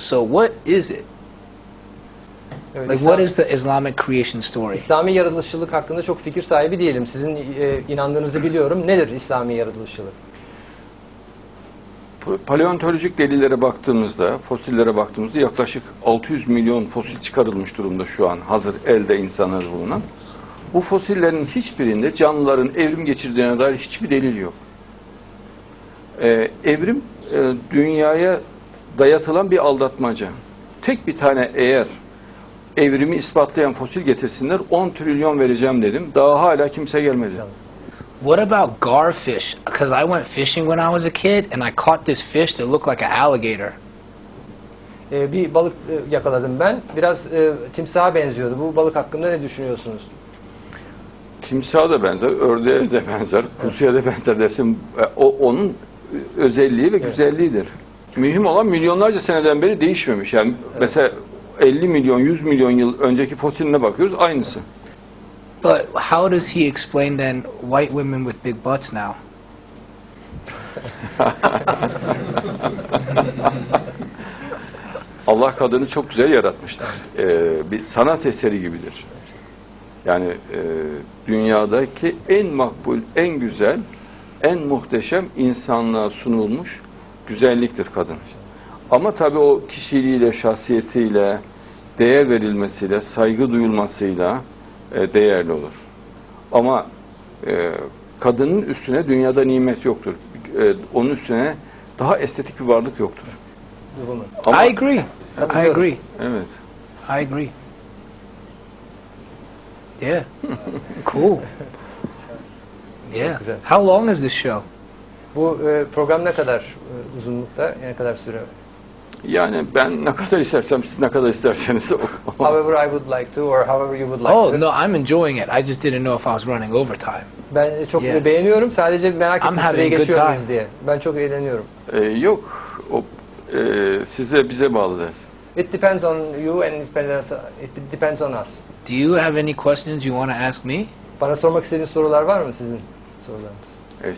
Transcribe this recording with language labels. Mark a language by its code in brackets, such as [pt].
[en] So what is it? [tr] Evet, [en] like what is the Islamic creation story? [tr] İslami yaratılışçılık hakkında çok fikir sahibi değilim. Sizin inandığınızı biliyorum. Nedir İslami yaratılışçılık? Paleontolojik delillere baktığımızda, fosillere baktığımızda yaklaşık 600 milyon fosil çıkarılmış durumda şu an hazır elde insanlar bulunan. Bu fosillerin hiçbirinde canlıların evrim geçirdiğine dair hiçbir delil yok. Evrim dünyaya dayatılan bir aldatmaca. Tek bir tane eğer evrimi ispatlayan fosil getirsinler 10 trilyon vereceğim dedim. Daha hala kimse gelmedi. [en] What about garfish? Because I went fishing when I was a kid and I caught this fish that looked like an alligator. [tr] Bir balık yakaladım ben. Biraz timsaha benziyordu. Bu balık hakkında ne düşünüyorsunuz? Timsaha da benzer, ördeğe de benzer, kuzuya da benzer dersin. O onun özelliği ve güzelliğidir. Mühim olan milyonlarca seneden beri değişmemiş. Yani mesela 50 milyon, 100 milyon yıl önceki fosiline bakıyoruz, aynısı. [en] But how does he explain then white women with big butts now? [tr] Allah kadını çok güzel yaratmıştır. Bir sanat eseri gibidir. Yani dünyadaki en makbul, en güzel, en muhteşem insanlığa sunulmuş güzelliktir kadın. Ama tabii o kişiliğiyle, şahsiyetiyle, değer verilmesiyle, saygı duyulmasıyla değerli olur. Ama kadının üstüne dünyada nimet yoktur. Onun üstüne daha estetik bir varlık yoktur. Ama, [en] I agree. I agree. [tr] Evet. [en] I agree. Yeah. Cool. Yeah. How long is this show? [tr] Bu program ne kadar uzunlukta? Ne kadar süre? Yani ben ne kadar istersem, siz ne kadar isterseniz. [en] However I would like to, or however you would like to. Oh, no, I'm enjoying it. I just didn't know if I was running over time. [tr] Ben çok beğeniyorum. Sadece merak ettim süreyi geçiyoruz diye. Ben çok eğleniyorum. Yok. Size, bize bağlı. [en] It depends on you and it depends on us. Do you have any questions you want to ask me? [tr] Bana sormak istediğiniz sorular var mı sizin sorularınız?